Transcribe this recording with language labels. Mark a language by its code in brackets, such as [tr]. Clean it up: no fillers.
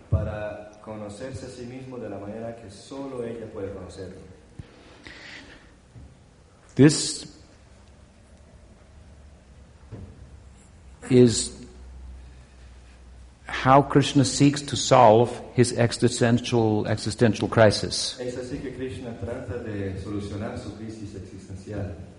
[es] Para conocerse a sí mismo de la manera que solo ella puede conocerlo. [en] This is how Krishna seeks to solve his existential crisis. [es] Es así que Krishna trata de solucionar su crisis existencial.